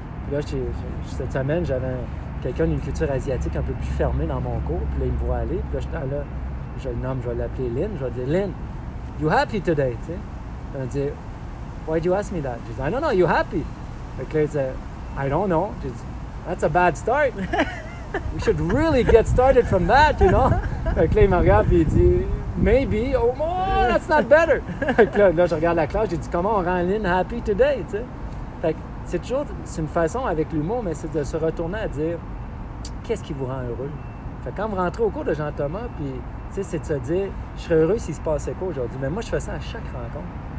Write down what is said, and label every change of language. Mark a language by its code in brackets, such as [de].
[fr] Puis là, cette semaine, j'avais quelqu'un d'une culture asiatique un peu plus fermée dans mon cours, puis là, il me voit aller, puis là, je le nomme, je vais l'appeler Lynn, je vais dire Lynn, [en] you happy today? [fr] Il va dire [en] why do you ask me that? [fr] J'ai dit [en] I don't know, you happy? [fr] Fait que là, il dit [en] I don't know. [fr] J'ai dit [en] that's a bad start. We should really get started from that, you know? [fr] Fait que là, il me regarde et il dit « [en] Maybe, oh, that's not better! [fr] » Fait que là, je regarde la classe, j'ai dit « Comment on rend Lynn [en] happy today? [fr] » Tu sais? Fait que c'est toujours, c'est une façon avec l'humour, mais c'est de se retourner à dire « Qu'est-ce qui vous rend heureux? » Fait que quand vous rentrez au cours de Jean-Thomas, puis, tu sais, c'est de se dire « Je serais heureux s'il se passait quoi aujourd'hui? » Mais moi, je fais ça à chaque rencontre.